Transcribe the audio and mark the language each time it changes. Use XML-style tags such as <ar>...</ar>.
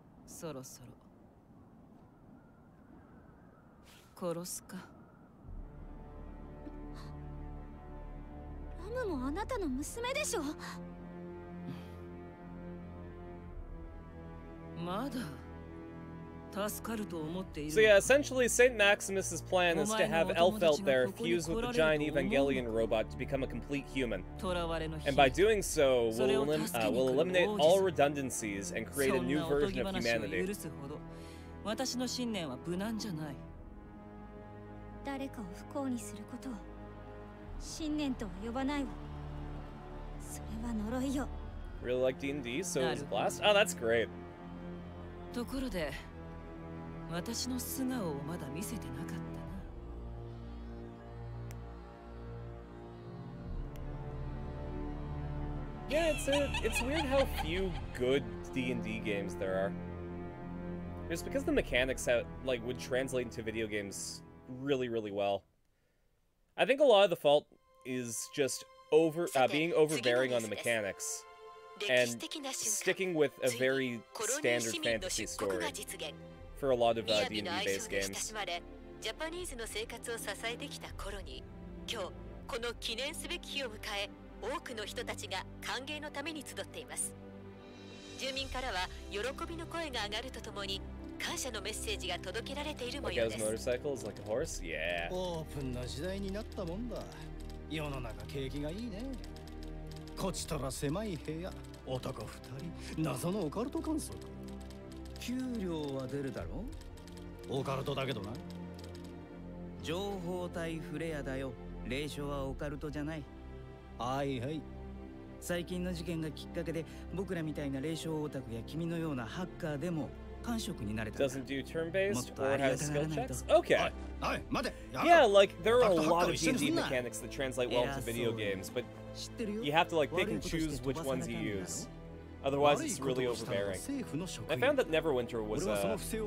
<ja>そろそろ殺すか。ラムもあなたの娘でしょ。まだ助かると思っている。</ja> <en>So yeah, essentially Saint Maximus's plan is to have Elfelt there fuse with the giant Evangelion robot to become a complete human. And by doing so, we'll eliminate all redundancies and create a new version of humanity.</en> <ja>私の信念は無難じゃない。誰かを不幸にすることを信念とは呼ばないわ。それは呪いよ。</ja> <en>Really like D&D, so it was a blast. Oh, that's great.</en> <ja>ところで、私の素顔をまだ見せてなかったな。</ja> <en>Yeah, it's weird how few good D&D games there are. It's because the mechanics have, like, would translate into video games really, really well. I think a lot of the fault is just being overbearing on the mechanics. And sticking with a very standard fantasy story for a lot of D&D based games.</en> <ja>Japanese の生活を支えてきた頃に、今日この記念すべき日を迎え、多くの人たちが歓迎のために集っています。住民からは喜びの声が上がるとともに、感謝のメッセージが届けられている模様です。</ja> <en>Like his motorcycle is like a horse? Yeah.</en> <ja>オープンな時代になったもんだ。世の中景気がいいね。こちとら狭い部屋、男二人、謎のオカルト観測。給料は出るだろう。オカルトだけどな。情報体フレアだよ。霊障はオカルトじゃない。はいはい。最近の事件がきっかけで、僕らみたいな霊障オタクや君のようなハッカーでも感触になれた。</ja> <en>Doesn't do turn-based or has skill checks? Okay.</en> <ja>待て、やめろ。</ja> <en>Yeah, like, there are a lot of D&D mechanics that translate well to video games, but you have to, like, pick and choose which ones you use. Otherwise, it's really overbearing. I found that Neverwinter was a...</en>